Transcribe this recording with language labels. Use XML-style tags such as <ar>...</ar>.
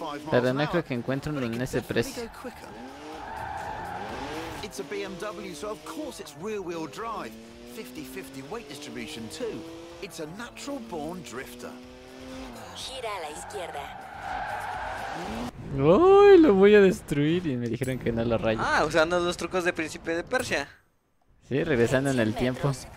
<es>Pero no creo que encuentre uno en ese precio.</es> <en>It's a BMW, so of course it's rear-wheel drive. 50-50 weight distribution, too. It's a natural-born drifter.</en> <es>Gira a la izquierda. ¡Uy! Lo voy a destruir. Y me dijeron que no lo rayo. Ah, usando los trucos de Príncipe de Persia. Sí, regresando en el tiempo.</es>